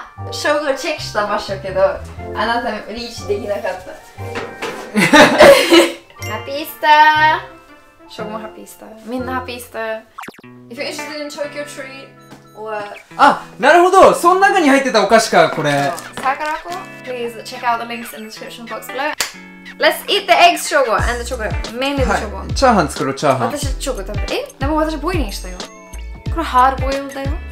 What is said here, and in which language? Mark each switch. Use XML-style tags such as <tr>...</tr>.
<ja>称号チェックしてましたけど、あなたリーチできなかった。ハッピースター。称号ハッピースター。みんなハッピースター。</ja> <en>If you're interested in Tokyo Treat or</en> <ja>あ、なるほど。その中に入ってたお菓子か、これ。サクラコ。</ja> <en>Please check out the links in the description box below. Let's eat the eggs, Shogo, and the chocolate. Mainly the chocolate.</en> <ja>はい、チャーハン作ろう、チャーハン。私、チョコ食べて。え？でも私、ボイリングしたよ。これ、ハードボイルだよ。</ja>